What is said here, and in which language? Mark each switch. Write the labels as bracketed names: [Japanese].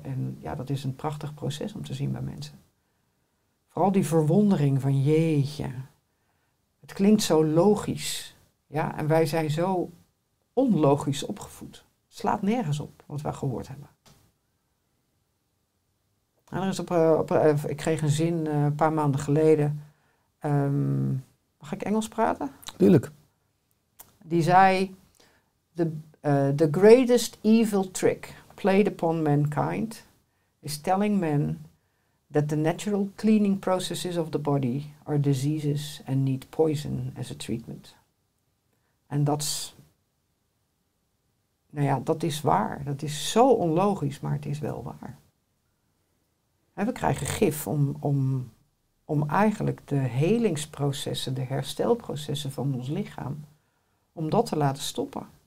[Dutch] En ja, dat is een prachtig proces om te zien bij mensen. Vooral die verwondering van jeetje, het klinkt zo logisch. Ja, en wij zijn zo onlogisch opgevoed. Het slaat nergens op wat wij gehoord hebben. En er is ik kreeg een zin een paar maanden geleden. Mag ik Engels praten? Tuurlijk. Die zei: [English] The greatest evil trick played upon mankind is telling men that the natural cleaning processes of the body are diseases and need poison as a treatment. [Dutch] En dat is. Nou ja, dat is waar. Dat is zo onlogisch, maar het is wel waar. We krijgen gif om eigenlijk de helingsprocessen, de herstelprocessen van ons lichaam, om dat te laten stoppen.